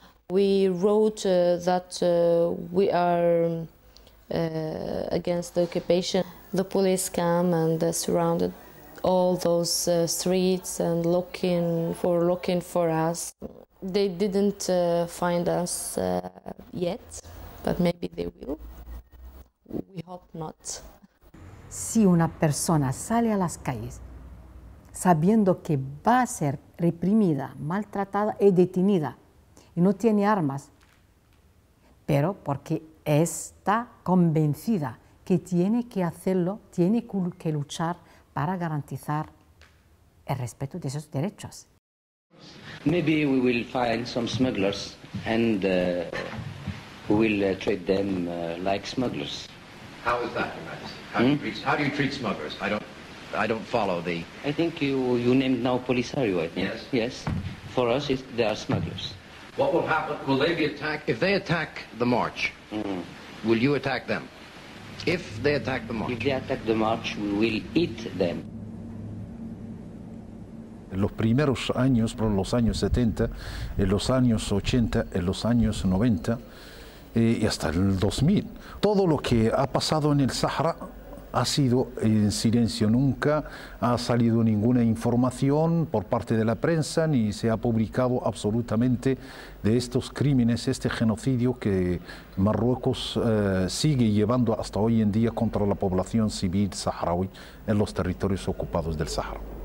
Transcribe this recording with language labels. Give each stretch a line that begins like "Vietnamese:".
English: We wrote that we are against the occupation. The police came and surrounded all those streets and looking for us. They didn't find us yet, but maybe they will. We hope not.
Spanish: Si una persona sale a las calles sabiendo que va a ser reprimida, maltratada y detenida, y no tiene armas, pero porque está convencida que tiene que hacerlo, tiene que luchar para garantizar el respeto de esos derechos.
English: Maybe we will find some smugglers and we will treat them like smugglers. How is that, Your Majesty? How do you treat smugglers? I don't follow the. I think you named now Polisario. I think. Yes. Yes. For us, they are smugglers. What will happen? Will they be attacked? If they attack the march, will you attack them? If they attack the march. If they attack the march, we will eat them.
Spanish: Los primeros años, por los años 70, los años 80, los años 90, y hasta el 2000. Todo lo que ha pasado en el Sahara ha sido en silencio. Nunca ha salido ninguna información por parte de la prensa ni se ha publicado absolutamente de estos crímenes, este genocidio que Marruecos sigue llevando hasta hoy en día contra la población civil saharaui en los territorios ocupados del Sahara.